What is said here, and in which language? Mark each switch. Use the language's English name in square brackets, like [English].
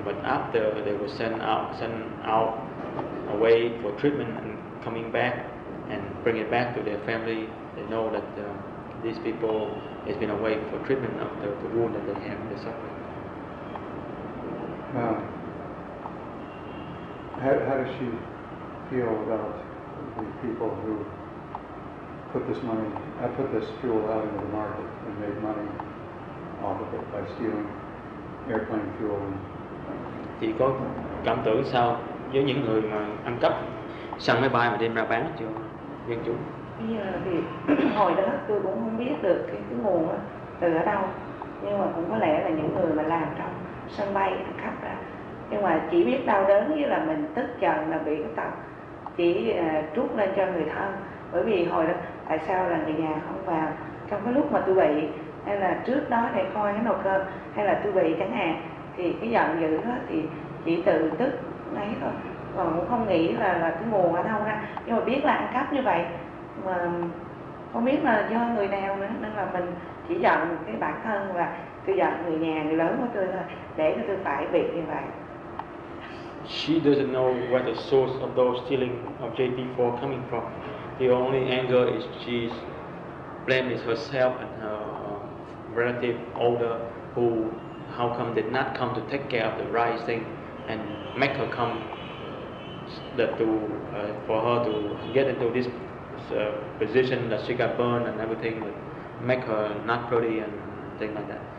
[English] But after they were sent out away for treatment and coming back and bring it back to their family, they know that these people has been away for treatment of the wound that they have, the suffering. How does she feel about the people who put this fuel out into the market and made money off of it by stealing airplane fuel? [Vietnamese] Chị có cảm tưởng sao với những người mà ăn cắp xăng máy bay mà đem ra bán cho dân chúng? Bây giờ thì hồi đó tôi cũng không biết được cái nguồn từ ở đâu, nhưng mà cũng có lẽ là những người mà làm trong sân bay khắp đó. Nhưng mà chỉ biết đau đớn như là mình tức giận là bị cái tật chỉ trút lên cho người thân. Bởi vì hồi đó tại sao là người nhà không vào trong cái lúc mà tôi bị, hay là trước đó để coi cái nồi cơm, hay là tôi bị chẳng hạn, thì cái giận dữ đó thì chỉ tự tức ấy thôi, còn cũng không nghĩ là cái nguồn ở đâu ra. Nhưng mà biết là ăn cắp như vậy mà không biết là do người nào nữa, nên là mình chỉ giận cái bản thân và tôi giận người nhà, người lớn của tôi thôi, để cho tôi phải bị như vậy. [English] She doesn't know where the source of those stealing of JP4 coming from. The only anger is she's blaming herself and her relative older, who how come did not come to take care of the right thing and make her come that to for her to get into this position that she got burned and everything, but make her not pretty and things like that.